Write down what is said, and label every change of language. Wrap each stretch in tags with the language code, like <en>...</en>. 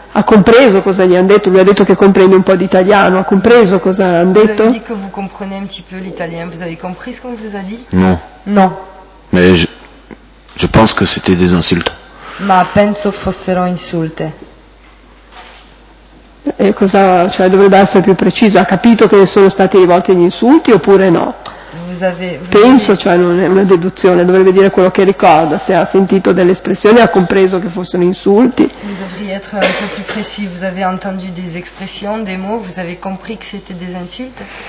<it>Ha compreso cosa gli hanno detto? Lui ha detto che comprende un po' di italiano. Ha compreso cosa hanno detto?</it> <fr>Vous avez dit que vous comprenez un petit peu l'italien. Vous avez compris ce qu'on vous a dit? Non.</fr> <it>Non.</it> <fr>Mais je pense que c'était des insultes.</fr> <it>Ma penso fossero insulte. E cosa, cioè, dovrebbe essere più preciso? Ha capito che sono stati rivolti gli insulti oppure no? Penso, cioè, non è una deduzione, dovrebbe dire quello che ricorda. Se ha sentito delle espressioni, ha compreso che fossero insulti. Dovrebbe essere un po' più preciso.</it> <fr>Vous avez entendu des expressions, des mots, vous avez compris que c'était des insultes?</fr>